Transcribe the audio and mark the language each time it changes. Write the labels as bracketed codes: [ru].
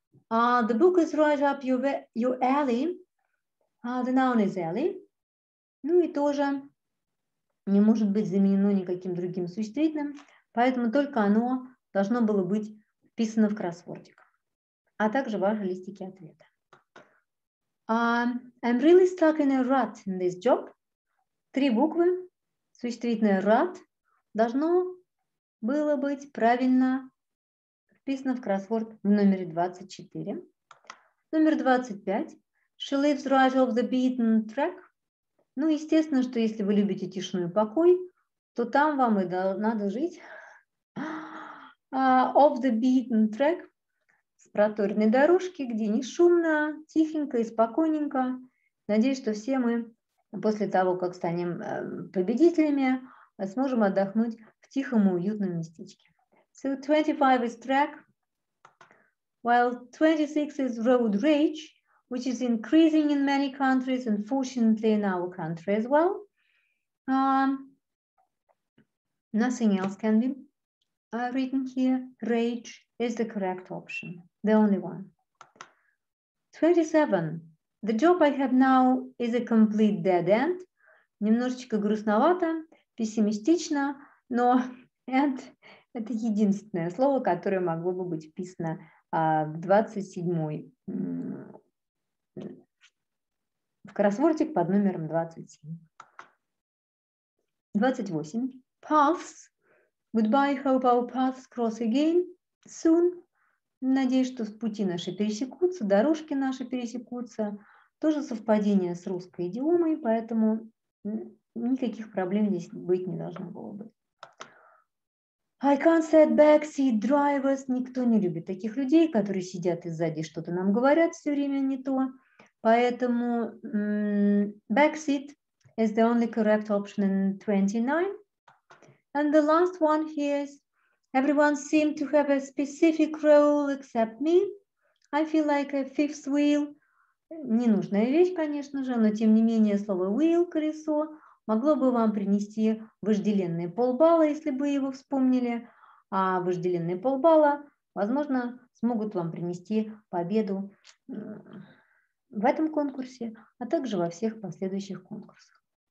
[en] The book is right up your alley. The noun is alley. [ru] Ну и тоже не может быть заменено никаким другим существительным, поэтому только оно должно было быть вписано в кроссвордик. А также ваши листики ответа. [en] I'm really stuck in a rut in this job. [ru] Три буквы, существительное rut, должно было быть правильно вписано в кроссворд в номере 24. Номер 25. [en] She lives right off the beaten track. [ru] Ну, естественно, что если вы любите тишину и покой, то там вам и надо жить. [en] Off the beaten track. [ru] С проторенной дорожки, где не шумно, тихенько и спокойненько. Надеюсь, что все мы после того, как станем победителями, сможем отдохнуть в тихом и уютном местечке. [en] So 25 is track, while 26 is road rage, which is increasing in many countries, unfortunately in our country as well. Nothing else can be written here. Rage is the correct option, the only one. 27. The job I have now is a complete dead end. [ru] Немножечко грустновато, пессимистично, но end – это единственное слово, которое могло бы быть вписано в 27-й в кроссвордик под номером 27. 28. Paths. Goodbye, hope our paths cross again soon. Надеюсь, что пути наши пересекутся, дорожки наши пересекутся. Тоже совпадение с русской идиомой, поэтому никаких проблем здесь быть не должно было бы. [en] I can't sit back, seat drivers. [ru] Никто не любит таких людей, которые сидят и сзади что-то нам говорят все время не то. Поэтому [en] backseat is the only correct option in 29. And the last one here is everyone seems to have a specific role except me. I feel like a fifth wheel. [ru] Ненужная вещь, конечно же, но тем не менее слово wheel, колесо, могло бы вам принести вожделенные полбалла, если бы его вспомнили. А вожделенные полбалла, возможно, смогут вам принести победу в этом конкурсе, а также во всех последующих конкурсах.